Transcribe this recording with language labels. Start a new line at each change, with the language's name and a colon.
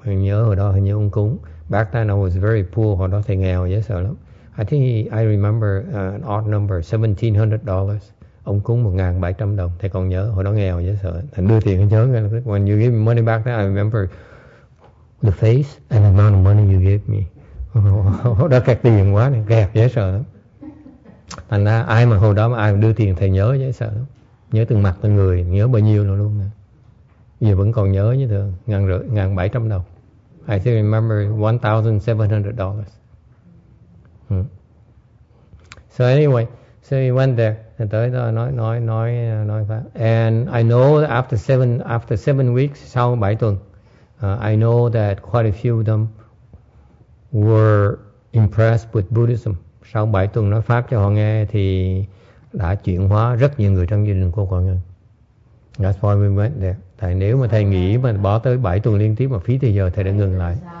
Vietnamese: Anh nhớ hồi đó hình như ông cúng.
English: Back then I was very poor.
Vietnamese: Hồi đó thầy nghèo dễ sợ lắm.
English: I remember an odd number, $1,700.
Vietnamese: Ông cúng 1,700 đồng. Thầy còn nhớ hồi đó nghèo dễ sợ. Thầy đưa tiền, anh nhớ ngay.
English: When you give me money back then, I remember the face and the amount of money you gave me.
Vietnamese: Hồi đó kẹt tiền quá này, kẹt dễ sợ lắm. Thành ra ai mà hồi đó mà ai mà đưa tiền thầy nhớ dễ sợ lắm. Nhớ từng mặt từng người, nhớ bao nhiêu nữa luôn. Giờ vẫn còn nhớ như thường, 1,700 đồng.
English: I still remember $1,700. So anyway, so he went there.
Vietnamese: Thì tới đó nói pháp.
English: And I know that after seven weeks,
Vietnamese: sau 7 tuần,
English: I know that quite a few of them were impressed with Buddhism.
Vietnamese: Sau 7 tuần nói pháp cho họ nghe thì đã chuyển hóa rất nhiều người trong gia đình của Quảng Ngân.
English: That's why we went there.
Vietnamese: Tại nếu mà thầy nghĩ mà bỏ tới 7 tuần liên tiếp mà phí thì giờ thầy đã ngừng lại.